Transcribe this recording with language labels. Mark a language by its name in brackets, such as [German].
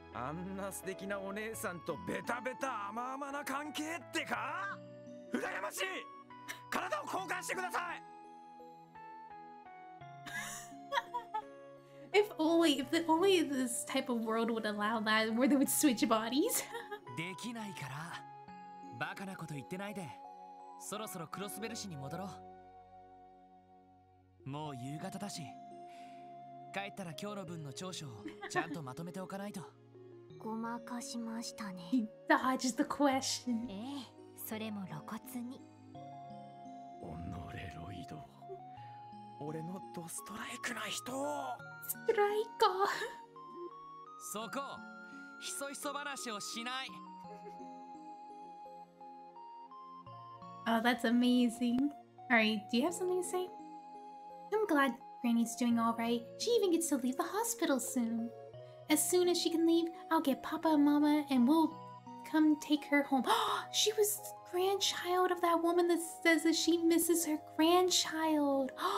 [Japanese] あんな素敵なお姉さんとベタベタ甘々な関係ってか？うらやましい！体を交換してください！ [English] if the only this type of world would allow that, where they would switch bodies? [Japanese] できないから。バカなこと言ってないで。そろそろクロスベル市に戻ろう。もう夕方だし。帰ったら今日の分の調書をちゃんとまとめておかないと。ごまかしましたね。 [English] Dodges the question. [Japanese] ええ、それも露骨に。おのれロイド。俺のドストライクな人。ストライカー。そこ、ひそひそ話をしない。 [English] Oh, that's amazing. All right, do you have something to say? I'm glad Granny's doing all right. She even gets to leave the hospital soon. As soon as she can leave, I'll get Papa and Mama and we'll come take her home. She was the grandchild of that woman that says that she misses her grandchild.